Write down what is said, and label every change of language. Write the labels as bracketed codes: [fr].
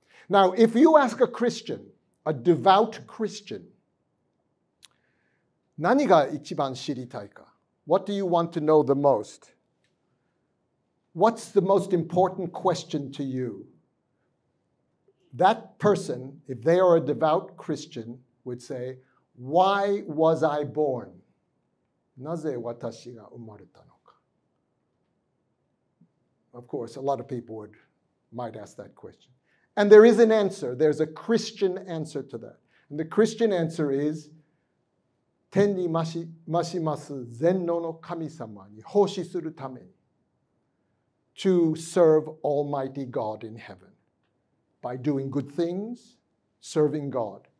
[en] Now, if you ask a Christian, a devout Christian, [ja] 何が一番知りたいか? [en] What do you want to know the most? What's the most important question to you? That person, if they are a devout Christian, would say, Why was I born? [ja] なぜ私が生まれたのか? [en] Of course, a lot of people might ask that question. And there is an answer. There's a Christian answer to that. And the Christian answer is, [ja] 天にまします全能の神様に奉仕するために [en] to serve Almighty God in heaven by doing good things, serving God.